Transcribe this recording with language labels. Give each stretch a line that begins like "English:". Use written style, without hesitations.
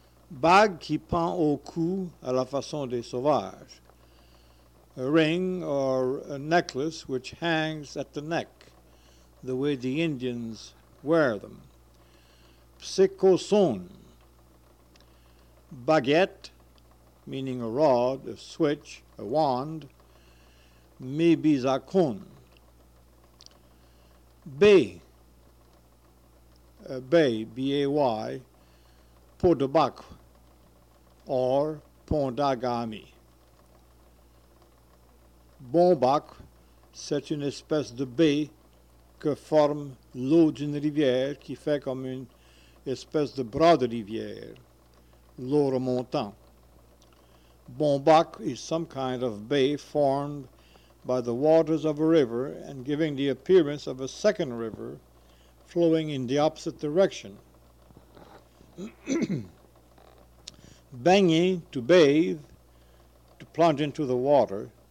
French: Bag qui pend au cou à la façon des sauvages.
English: A ring or a necklace which hangs at the neck, the way the Indians wear them. Psikoson. Baguette, meaning a rod, a switch, a wand.
Algonquin: Mibizakon.
English: Bay, B-A-Y, Podobak, or Pondagami.
French: Bombak, c'est une espèce de bay que forme l'eau d'une rivière qui fait comme une espèce de bras de rivière, l'eau remontant.
English: Bombak is some kind of bay formed by the waters of a river and giving the appearance of a second river flowing in the opposite direction. Baigner, to bathe, to plunge into the water.